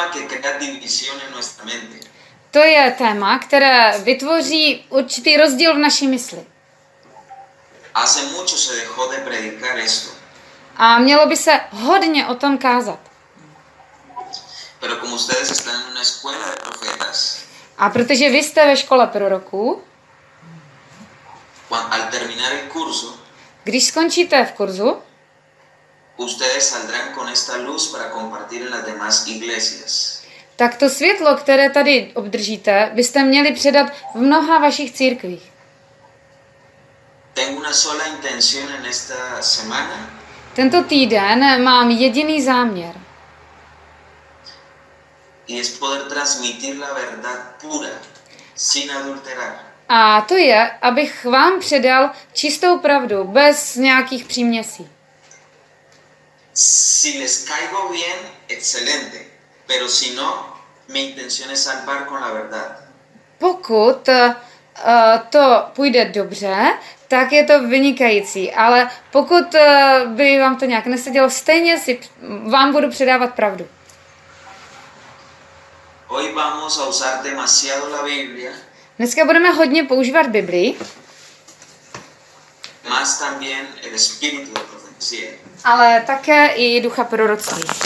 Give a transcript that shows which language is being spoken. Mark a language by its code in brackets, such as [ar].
[cs] negativní vizion v naší mente. To je téma, které vytvoří určitý rozdíl v naší mysli. [es] Hace mucho se dejó de predicar esto. [cs] A mělo by se hodně o tom kázat. [es] Pero como ustedes están en una escuela de profetas. [cs] A protože vy jste ve škole proroků. [es] Al terminar el curso. [cs] Když skončíte v kurzu. [es] Ustedes saldrán con esta luz para compartir en las demás iglesias. [cs] Tak to světlo, které tady obdržíte, byste měli předat v mnoha vašich církvích. [es] Tengo una sola intención en esta semana. [cs] Tento týden mám jediný záměr. [es] Y es poder transmitir la verdad pura, sin adulterar. [cs] A to je, abych vám předal čistou pravdu, bez nějakých příměsí. [es] Si les caigo bien, excelente. Pero si no, mi intención es salvar con la verdad. [cs] Pokud to půjde dobře, tak je to vynikající. Ale pokud by vám to nějak nesedělo, stejně si vám budu předávat pravdu. [es] Hoy vamos a usar demasiado la Biblia. [cs] Dneska budeme hodně používat Biblii. [es] Más también el espíritu de profecía. [cs] Ale také i ducha proroctví.